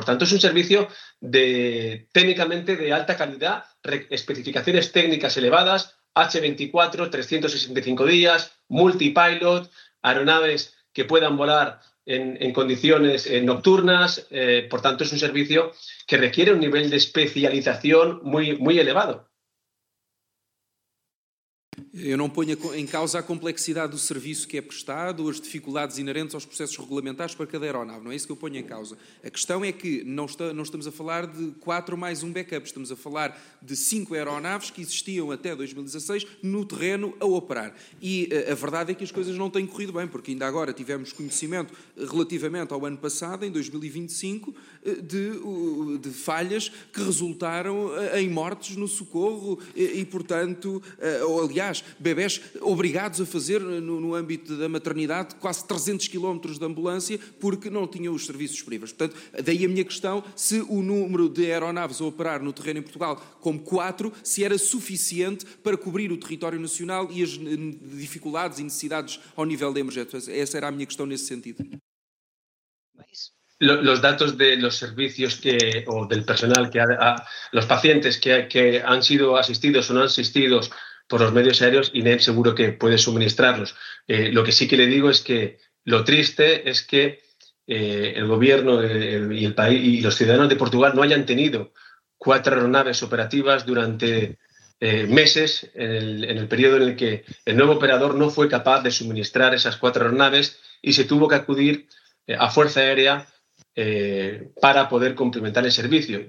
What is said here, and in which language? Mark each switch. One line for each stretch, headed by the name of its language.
Spanish: Por tanto, es un servicio técnicamente de alta calidad, especificaciones técnicas elevadas, H-24, 365 días, multipilot, aeronaves que puedan volar en condiciones nocturnas, por tanto es un servicio que requiere un nivel de especialización muy, muy elevado.
Portuguese: Eu não ponho em causa a complexidade do serviço que é prestado, as dificuldades inerentes aos processos regulamentares para cada aeronave, não é isso que eu ponho em causa. A questão é que não estamos a falar de quatro mais um backup, estamos a falar de cinco aeronaves que existiam até 2016 no terreno a operar. E a verdade é que as coisas não têm corrido bem, porque ainda agora tivemos conhecimento relativamente ao ano passado, em 2025, de falhas que resultaram em mortes no socorro e portanto, ou aliás, bebés obrigados a fazer no âmbito da maternidade quase 300 quilómetros de ambulância porque não tinham os serviços privados. Portanto, daí a minha questão, se o número de aeronaves a operar no terreno em Portugal como 4, se era suficiente para cobrir o território nacional e as dificuldades e necessidades ao nível de emergência. Essa era a minha questão nesse sentido.
Spanish: Los datos de los servicios que o del personal que los pacientes que han sido asistidos o no asistidos por los medios aéreos, INEM seguro que puede suministrarlos. Lo que sí que le digo es que lo triste es que el gobierno y el país y los ciudadanos de Portugal no hayan tenido 4 aeronaves operativas durante meses en el periodo en el que el nuevo operador no fue capaz de suministrar esas 4 aeronaves y se tuvo que acudir a Fuerza Aérea para poder complementar el servicio.